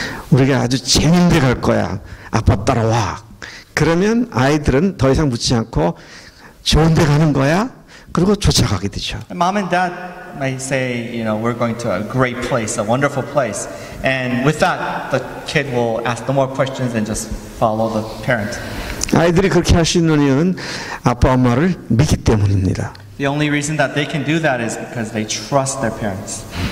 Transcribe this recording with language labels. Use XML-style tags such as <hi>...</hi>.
<ko>우리가 아주 재밌는 데 갈 거야. 아빠 따라와. 그러면 아이들은 더 이상 묻지 않고 좋은 데 가는 거야. 그리고 쫓아가게 되죠.</ko> <en>Mom and dad may say, you know, we're going to a great place, a wonderful place. And with that, the kid will ask no more questions and just follow the parent.</en> <ko>아이들이 그렇게 할 수 있는 이유는 아빠 엄마를 믿기 때문입니다.</ko> <en>The only reason that they can do that is because they trust their parents.</en>